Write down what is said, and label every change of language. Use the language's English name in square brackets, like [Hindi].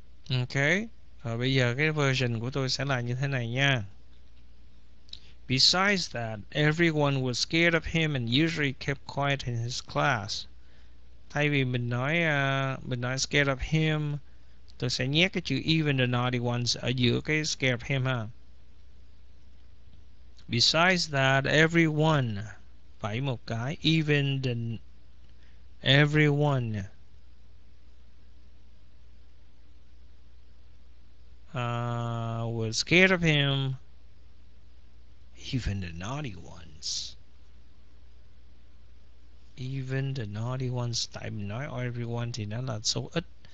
[Vietnamese] Ok, rồi bây giờ cái version của tôi sẽ là như thế này nha. [English] Besides that, everyone was scared of him and usually kept quiet in his class. Thay vì mình nói scared of him, tôi sẽ nhét cái chữ even the naughty ones ở giữa cái scared of him ha. Besides that, everyone, [Vietnamese] phải một cái, [English] even the everyone. Was scared of him, even the naughty ones. Even the naughty ones, [Vietnamese] tại mình nói everyone thì nó là số ít.